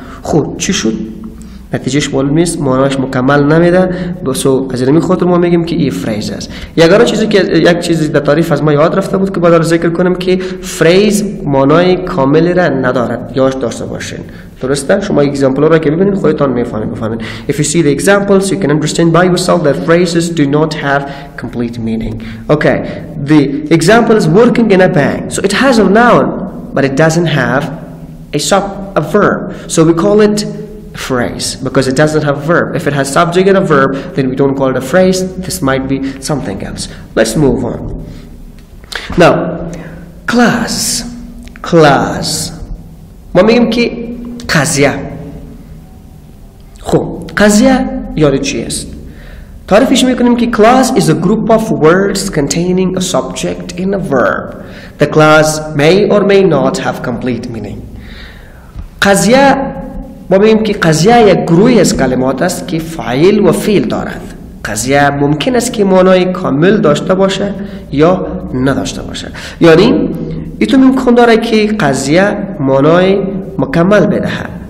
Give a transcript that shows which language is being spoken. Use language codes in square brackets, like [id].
[fa] خوب چی شد؟ نتیجهش معلوم نیست، معناش مکمل نمیده. سو از این خاطر ما میگیم که این فریز است. یگانه چیزی که یک چیزی در تعریف از ما یاد رفته بود که بذار ذکر کنم که فریز معنای کاملی را ندارد. یاد داشته باشین. درسته؟ شما اگزامپل را که ببینید خودتان میفهمید بفهمید. [en] If you see the examples, you can understand by yourself that phrases do not have complete meaning. Okay. The example is working in a bank. So it has a noun, but it doesn't have a verb. So we call it phrase because it doesn't have a verb. If it has subject and a verb, then we don't call it a phrase. This might be something else. Let's move on. Now, class. Class. [fa] ما میگیم که قضیه. خب قضیه یاد چی است؟ تعریفش میکنیم که [en] class is a group of words containing a subject and a verb. The class may or may not have complete meaning. [fa] قضیه ما میگیم که قضیه یک گروه از کلمات است که فاعل و فعل دارد. قضیه ممکن است که معنای کامل داشته باشه یا نداشته باشه. یعنی ایتو ممکن داره که قضیه معنای مکمل بدهه.